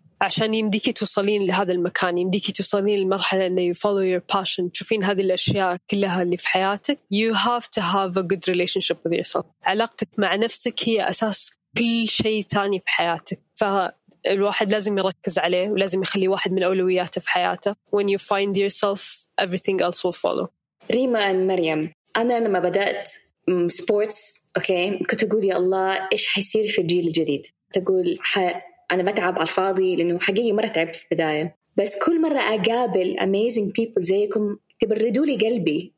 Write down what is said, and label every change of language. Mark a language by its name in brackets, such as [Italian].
[Arabic] عشان يمديكي توصلين لهذا المكان، يمديكي توصلين للمرحلة إنه [English] you follow your passion، [Arabic] تشوفين هذه الأشياء كلها اللي في حياتك. [English] You have to have a good relationship with yourself. [Arabic] علاقتك مع نفسك هي أساس كل شيء ثاني في حياتك، فالواحد لازم يركز عليه ولازم يخلي واحد من أولوياته في حياته. [English] When you find yourself, everything else will follow. [Arabic] ريما [English] and [Arabic] مريم، أنا لما بدأت سبورتس أوكي كنت أقول يا الله إيش حيصير في الجيل الجديد، تقول أنا بتعب على الفاضي، لأنه حقيقي مرة تعبت في البداية. بس كل مرة أقابل [English] amazing people [Arabic] زيكم تبردوا لي قلبي.